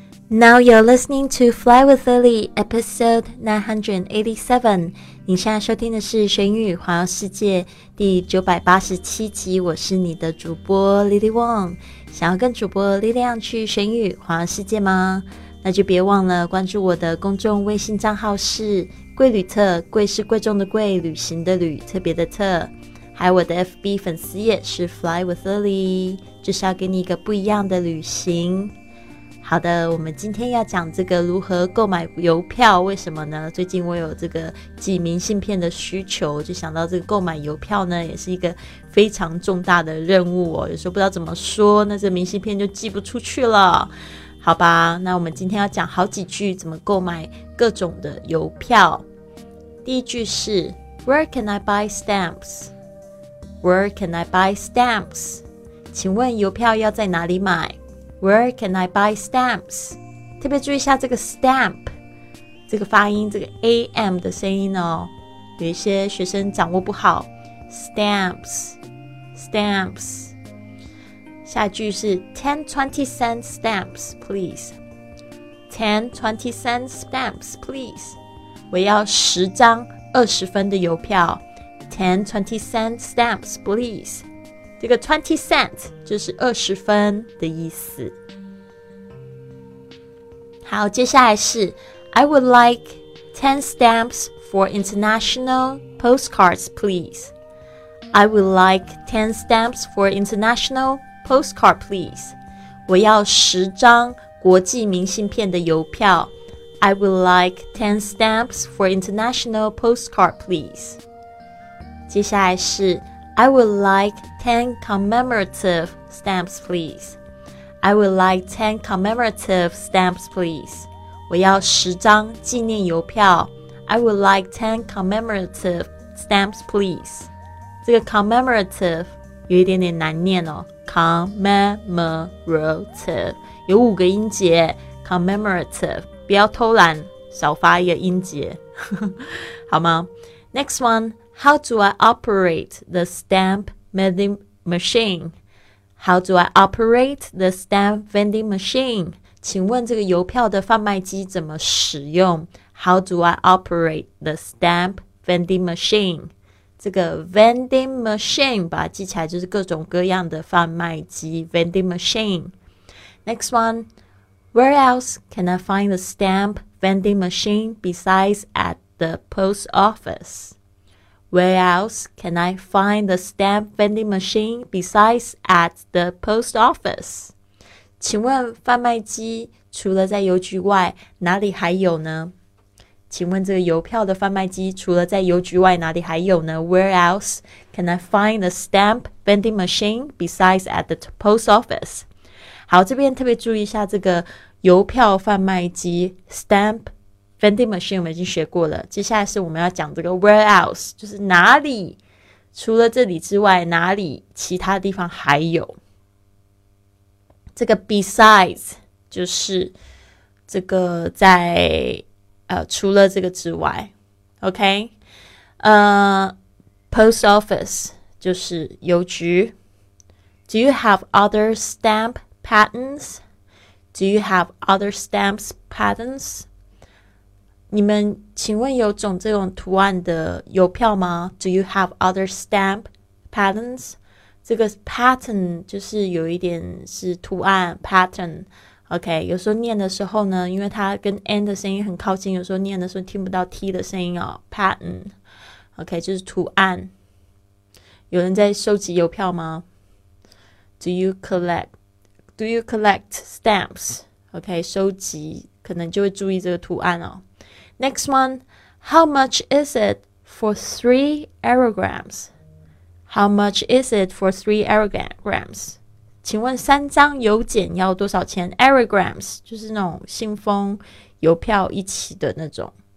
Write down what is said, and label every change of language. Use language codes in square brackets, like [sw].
[en] Now you're listening to Fly with Lily, episode 987. [zh] 你现在收听的是学英语环游世界第987集，我是你的主播 Lily Wong。想要跟主播 Lilian 去学英语环游世界吗？那就别忘了关注我的公众微信账号，是贵旅特，贵是贵重的贵，旅行的旅，特别的特。还有我的 FB 粉丝页是 Fly with Lily， 就是要给你一个不一样的旅行。好的，我们今天要讲这个如何购买邮票，为什么呢？最近我有这个寄明信片的需求，就想到这个购买邮票呢，也是一个非常重大的任务哦。有时候不知道怎么说，那这明信片就寄不出去了。好吧，那我们今天要讲好几句怎么购买各种的邮票。第一句是 [en] Where can I buy stamps? Where can I buy stamps? [zh] 请问邮票要在哪里买？ [en] Where can I buy stamps? [zh] 特别注意一下这个 stamp， 这个发音，这个 AM 的声音哦，有一些学生掌握不好。 [en] Stamps, stamps. [zh] 下一句是 [en] 10-20-cent stamps, please. 10-20-cent stamps, please. [zh] 我要十张二十分的邮票。 [en] 10-20-cent stamps, please. [zh] 这个 20 cent 就是二十分的意思。好，接下来是 [en] I would like 10 stamps for international postcards, please. I would like 10 stamps for international postcard, please. [zh] 我要十张国际明信片的邮票。 [en] I would like 10 stamps for international postcard, please. [zh] 接下来是 [en] I would like 10 commemorative stamps, please. I would like 10 commemorative stamps, please. [zh] 我要十张纪念邮票。 [en] I would like 10 commemorative stamps, please. [zh] 这个 commemorative 有一点点难念哦。commemorative 有五个音节。 commemorative 不要偷懒，少发一个音节，好吗？ [en] Next one. How do I operate the stamp vending machine? How do I operate the stamp vending machine? [zh] 请问这个邮票的贩卖机怎么使用？ [en] How do I operate the stamp vending machine? [zh] 这个 vending machine 把它记起来，就是各种各样的贩卖机 vending machine. [en] Next one, where else can I find the stamp vending machine besides at the post office? Where else can I find the stamp vending machine besides at the post office? [zh] 请问贩卖机除了在邮局外哪里还有呢？请问这个邮票的贩卖机除了在邮局外哪里还有呢？ [en] Where else can I find the stamp vending machine besides at the post office? [zh] 好，这边特别注意一下这个邮票贩卖机 stampVending machine 我们已经学过了，接下来是我们要讲这个 where else， 就是哪里，除了这里之外，哪里其他地方还有。这个 besides 就是这个在除了这个之外 ，OK， post office 就是邮局。 [en] Do you have other stamp patterns? Do you have other stamps patterns? [zh] 你们请问有种这种图案的邮票吗？ [en] Do you have other stamp patterns? [zh] 这个 pattern 就是有一点是图案 pattern, OK, 有时候念的时候呢，因为它跟 N 的声音很靠近，有时候念的时候听不到 T 的声音哦， pattern, OK, 就是图案。有人在收集邮票吗？ [en] Do you collect stamps? [zh] OK, 收集可能就会注意这个图案哦。 [en] Next one, how much is it for 3 aerograms? How much is it for 3 aerograms? [zh] 请问三张邮件要多少钱？Aerograms 就是那种信封邮票一起的那种。